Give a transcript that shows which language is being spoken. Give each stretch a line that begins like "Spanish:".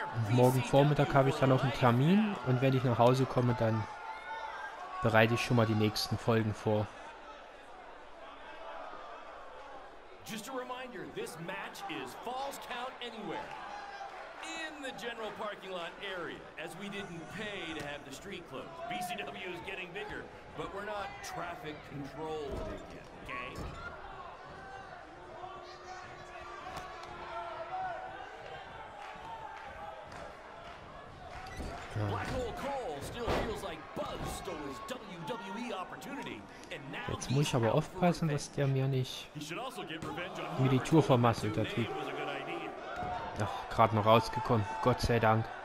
German: Morgen Vormittag habe ich dann noch einen Termin und wenn ich nach Hause komme, dann bereite ich schon mal die nächsten Folgen vor.
English: Just a reminder, this match is falls count anywhere. In the general parking lot area, as we didn't pay to have the street closed. BCW is getting bigger, but we're not traffic controlled yet, okay? Black Hole Cole still feels like Buzz stole his WWE opportunity.
German: Jetzt muss ich aber aufpassen, dass der mir nicht mir die Tour vermasselt, der Typ. Ach, gerade noch rausgekommen, Gott sei Dank.